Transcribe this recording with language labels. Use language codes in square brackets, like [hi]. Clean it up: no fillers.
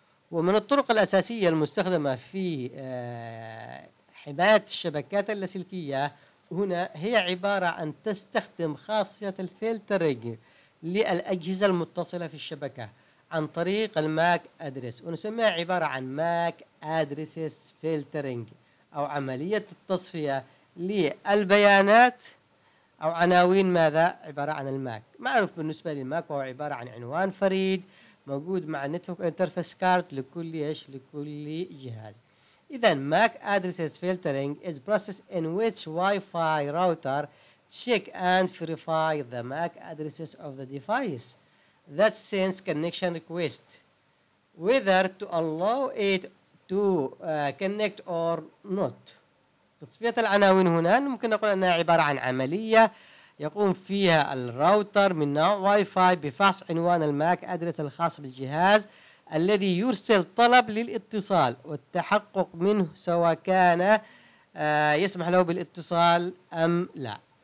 [ar] ومن الطرق الأساسية المستخدمة في حماية الشبكات اللاسلكية هنا هي عبارة عن تستخدم خاصية الفلترينج للأجهزة المتصلة في الشبكة عن طريق الماك أدرس، ونسميها عبارة عن ماك أدريسس فلترينج أو عملية التصفية للبيانات أو عناوين ماذا عبارة عن الماك. معروف بالنسبة للماك وهو عبارة عن عنوان فريد موجود مع نتورك انترفيس كارد لكل إيش لكل جهاز. [en] إذن MAC Addresses Filtering is process in which Wi-Fi router check and verify the MAC addresses of the device that sends connection request whether to allow it to connect or not. [ar] تصفية العناوين هنا ممكن نقول أنها عبارة عن عملية يقوم فيها الراوتر من نوع Wi-Fi بفحص عنوان الماك أدرس الخاص بالجهاز الذي يرسل طلب للاتصال والتحقق منه سواء كان يسمح له بالاتصال أم لا.